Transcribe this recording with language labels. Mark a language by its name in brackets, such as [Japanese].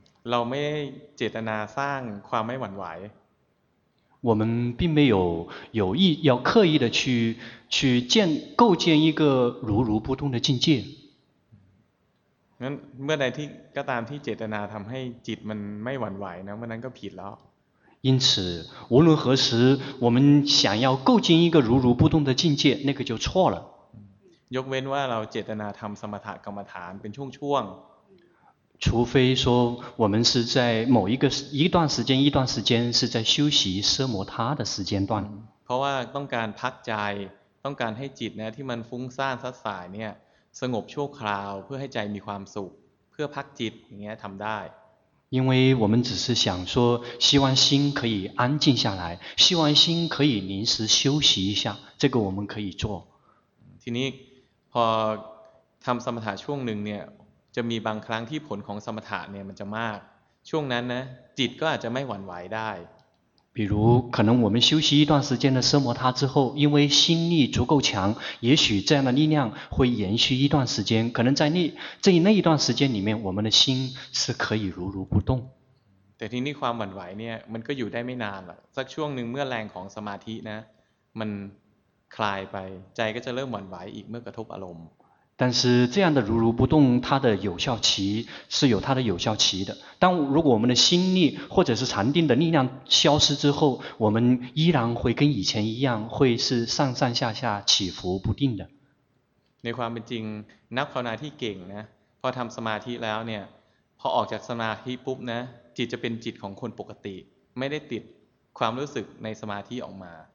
[Thai] เราไม่เจตนาสร้างความไม่หวั่นไหว [Chinese] 我们并没有有意要刻意的去建构建一个如如不动的境界。 [Thai] งั้นเมื่อใดที่ก็ตามที่เจตนาทําให้จิตมันไม่หวั่นไหวนะเมื่อนั้นก็ผิดแล้ว [Chinese] 因此无论何时我们想要构建一个如如不动的境界那个就错了。 [Thai] ยกเว้นว่าเราเจตนาทำสมถกรรมฐานเป็นช่วง [Chinese] ๆ除非说我们是在某一段时间是在休息奢摩他的时间段 [Thai] เพราะว่าต้องการพักใจต้องการให้จิตนะที่มันฟุ้งซ่านซัดสายเนี่ยสงบชั่วคราวเพื่อให้ใจมีความสุขเพื่อพักจิตอย่างเงี้ยทำได้ [Chinese] 因为我们只是想说希望心可以安静下来希望心可以临时休息一下这个我们可以做 [Thai] ทีนี้พอทำสมถะช่วงหนึ่งเนี่ยจะมีบางครั้งที่ผลของสมถะเนี่ยมันจะมากช่วงนั้นนะจิตก็อาจจะไม่หวั่นไหวได้ [Chinese] 比如可能我们休息一段时间的奢摩他之后因为心力足够强也许这样的力量会延续一段时间可能在那一段时间里面我们的心是可以如如不动 [Thai] แต่ทีนี้ความหวั่นไหวเนี่ยมันก็อยู่ได้ไม่นานหรอกสักช่วงหนึ่งเมื่อแรงของสมาธินะมันคลายไปใจก็จะเริ่มหวั่นไหวอีกเมื่อกระทบอารมณ์ [Chinese] 但是这样的如如不动它的有效期是有它的有效期的但如果我们的心力或者是禅定的力量消失之后我们依然会跟以前一样会是上上下下起伏不定的 [Thai] ในความเป็นจริงนักภาวนาที่เก่งนะพอทำสมาธิแล้วเนี่ยพอออกจากสมาธิปุ๊บนะจิตจะเป็นจิตของคนปกติไม่ได้ติดความรู้สึกในสมาธิออกมา